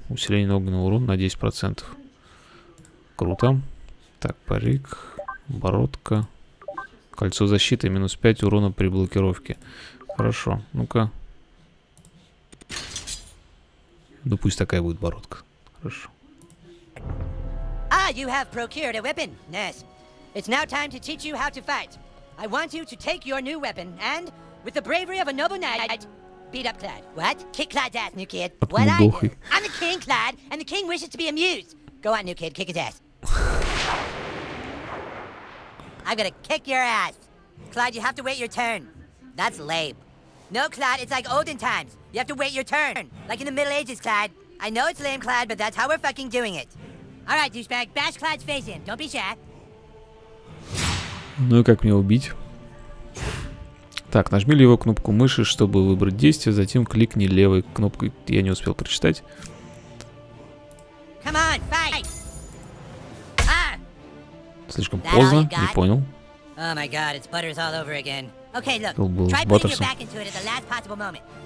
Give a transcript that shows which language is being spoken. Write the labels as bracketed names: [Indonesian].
[Russian] Усиление огненного урона на 10%. Круто. Так, парик. Бородка. Кольцо защиты, минус 5 урона при блокировке. Хорошо, ну-ка. Ну пусть такая будет бородка. Хорошо. [English] Ah, you have procured a weapon. Yes. It's now time to teach you how to fight. I want you to take your new weapon and, with the bravery of a noble knight, beat up Clyde. What? Kick Clyde's ass, new kid. What I do? I'm the king, Clyde, and the king wishes to be amused. Go on, new kid, kick his ass. I'm gonna kick your ass. Clyde, you have to wait your turn. That's lame. No, Clyde, it's like olden times. You have to wait your turn. Like in the Middle Ages, Clyde. I know it's lame, Clyde, but that's how we're fucking doing it. All right, douchebag, bash Clyde's face in. Don't be shy. [Russian] Ну и как мне убить? Так, нажми левую кнопку мыши, чтобы выбрать действие, затем кликни левой кнопкой. Я не успел прочитать. [English] Come on, fight. [Russian] Слишком поздно, не понял. [English] Oh my god, it's Butters all over again. Okay, look. Try putting your back into it at the last possible moment.